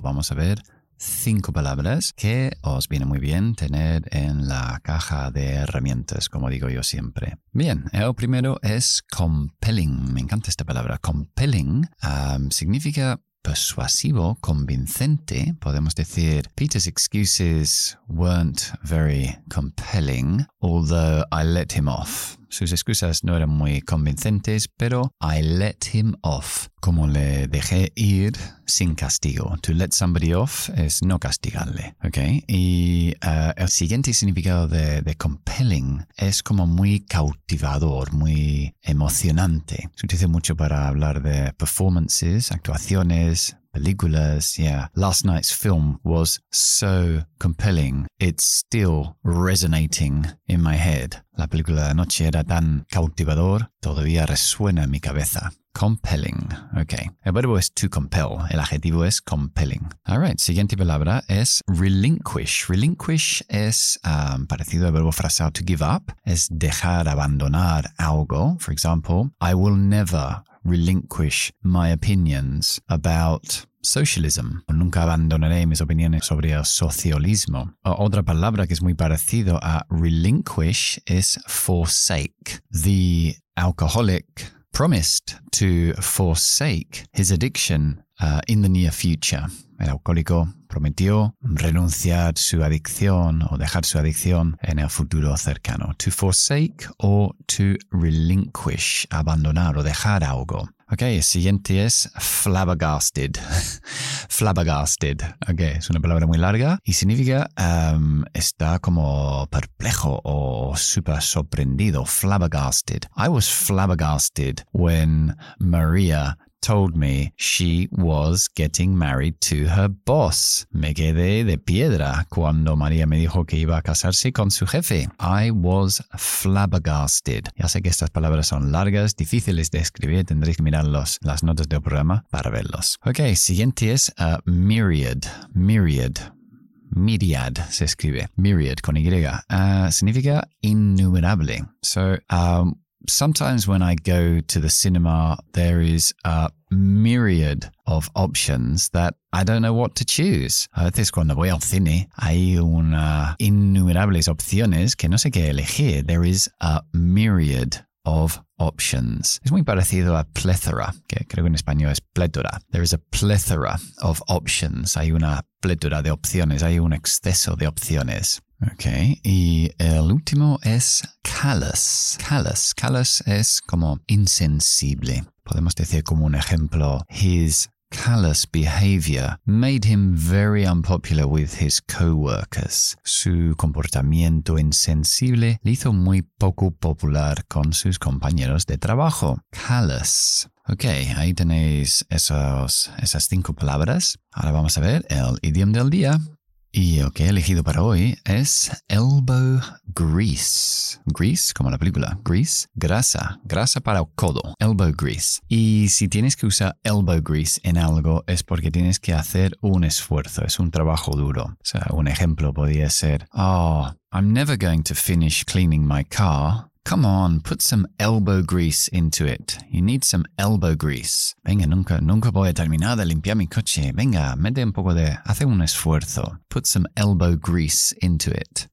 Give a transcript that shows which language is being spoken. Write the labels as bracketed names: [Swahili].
[Spanish] Vamos a ver 5 palabras que os viene muy bien tener en la caja de herramientas, como digo yo siempre. Bien, el primero es compelling. Me encanta esta palabra. Compelling significa persuasivo, convincente. Podemos decir, [English] Peter's excuses weren't very compelling, although I let him off. [Spanish] Sus excusas no eran muy convincentes, pero [English] I let him off. [Spanish] Como le dejé ir sin castigo. [English] To let somebody off [Spanish] es no castigarle. Okay. Y el siguiente significado de compelling es como muy cautivador, muy emocionante. Se utiliza mucho para hablar de performances, actuaciones, películas. Yeah. [English] Last night's film was so compelling. It's still resonating in my head. [Spanish] La película de anoche era tan cautivador, todavía resuena en mi cabeza. Compelling. Okay. El verbo es to compel. El adjetivo es compelling. [English] All right. [Spanish] Siguiente palabra es relinquish. Relinquish es parecido al verbo frasado [English] to give up. [Spanish] Es dejar, abandonar algo. [English] For example, I will never relinquish my opinions about socialism. [Spanish] Nunca abandonaré mis opiniones sobre el socialismo. Otra palabra que es muy parecido a relinquish es forsake. [English] The alcoholic promised to forsake his addiction in the near future. [Spanish] El alcohólico prometió renunciar su adicción o dejar su adicción en el futuro cercano. [English] To forsake or to relinquish, [Spanish] abandonar o dejar algo. Okay, el siguiente es flabbergasted. Flabbergasted. Okay, es una palabra muy larga y significa está como perplejo o super sorprendido. Flabbergasted. [English] I was flabbergasted when Maria told me she was getting married to her boss. [Spanish] Me quedé de piedra cuando María me dijo que iba a casarse con su jefe. [English] I was flabbergasted. [Spanish] Ya sé que estas palabras son largas, difíciles de escribir. Tendréis que mirar las notas del programa para verlos. Ok, siguiente es myriad. Myriad. Myriad se escribe. Myriad con Y. Significa innumerable. [English] So, sometimes when I go to the cinema, there is a myriad of options that I don't know what to choose. [Spanish] A veces cuando voy al cine, hay una innumerables opciones que no sé qué elegir. [English] There is a myriad of options. [Spanish] Es muy parecido a plethora, que creo que en español es plétora. [English] There is a plethora of options. [Spanish] Hay una plétora de opciones. Hay un exceso de opciones. Okay, y el último es callous. Callous. Callous es como insensible. Podemos decir como un ejemplo, [English] his callous behavior made him very unpopular with his co-workers. [Spanish] Su comportamiento insensible le hizo muy poco popular con sus compañeros de trabajo. Callous. Ok, ahí tenéis esas cinco palabras. Ahora vamos a ver el idioma del día. Y el que he elegido para hoy es elbow grease. Grease, como la película. Grease, grasa. Grasa para el codo. Elbow grease. Y si tienes que usar elbow grease en algo, es porque tienes que hacer un esfuerzo. Es un trabajo duro. O sea, un ejemplo podría ser, [English] oh, I'm never going to finish cleaning my car. Come on, put some elbow grease into it. You need some elbow grease. [Spanish] Venga, nunca voy a terminar de limpiar mi coche. Venga, mete un poco de... Hace un esfuerzo. [English] Put some elbow grease into it.